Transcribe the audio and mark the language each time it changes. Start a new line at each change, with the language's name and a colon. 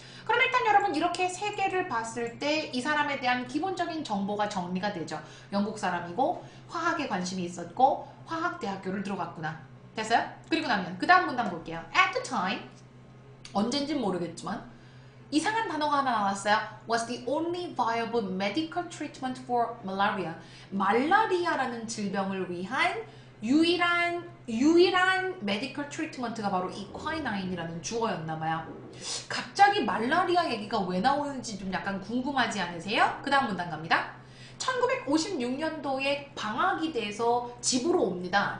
Korean: 그럼 일단 여러분 이렇게 세 개를 봤을 때 이 사람에 대한 기본적인 정보가 정리가 되죠. 영국 사람이고 화학에 관심이 있었고 화학대학교를 들어갔구나. 됐어요? 그리고 나면 그 다음 문단 볼게요.
English: At the time,
Korean: 언젠진 모르겠지만 이상한 단어가 하나 나왔어요.
English: Was the only viable medical treatment for malaria.
Korean: 말라리아라는 질병을 위한 유일한 medical treatment가 바로 equinine이라는 주어였나 봐요. 갑자기 말라리아 얘기가 왜 나오는지 좀 약간 궁금하지 않으세요? 그 다음 문단 갑니다. 1956년도에 방학이 돼서 집으로 옵니다.